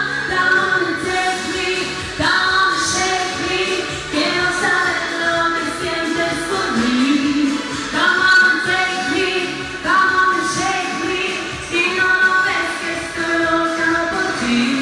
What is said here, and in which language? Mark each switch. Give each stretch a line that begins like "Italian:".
English: Come on and take me, come on and shake me.
Spanish: Quiero saber lo que sientes por mí.
English: Come on and take me, come on and shake me.
Spanish: Si no lo ves que estoy loca por ti.